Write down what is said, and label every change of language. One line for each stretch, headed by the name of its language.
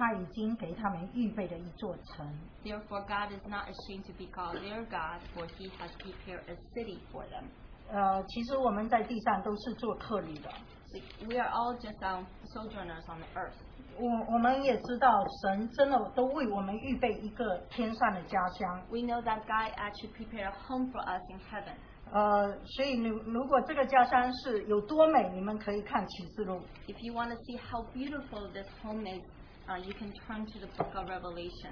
Chinese: 所以神被称为他们的神，并不以为耻，因为他已经给他们预备了一座城。
English: Therefore, God is not ashamed to be called their God, for He has prepared a city for them.
Chinese: 其实我们在地上都是做客旅的。
English: We are all just sojourners on the earth.
Chinese: 我们也知道神真的都为我们预备一个天上的家乡。
English: We know that God actually prepared a home for us in heaven.
Chinese: 所以如果这个家乡是有多美，你们可以看启示录。
English: If you want to see how beautiful this home is, you can turn to the book of Revelation.